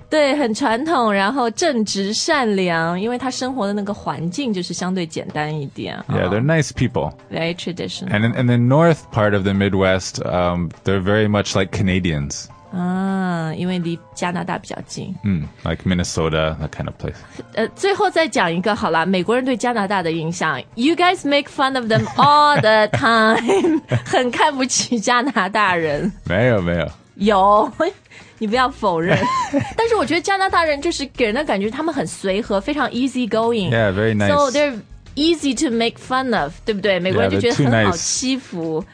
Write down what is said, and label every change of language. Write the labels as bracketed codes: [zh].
[zh] 对，很传统，然后正直善良，因为他生活的那个环境就是相对简单一点。 [en] Yeah, they're nice people. Very traditional. And in the north part of the Midwest, they're very much like Canadians. [zh] 因为离加拿大比较近。 [en] Like Minnesota, that kind of place. [zh] 最后再讲一个好了，美国人对加拿大的印象。 [en] You guys make fun of them all the time. [zh] 很看不起加拿大人。没有，没有。有。你不要否认但是我觉得加拿大人就是给人的感觉他们很随和非常 [en] easy going Yeah, very nice So they're easy to make fun of [zh] 对不对美国人就觉得很好欺负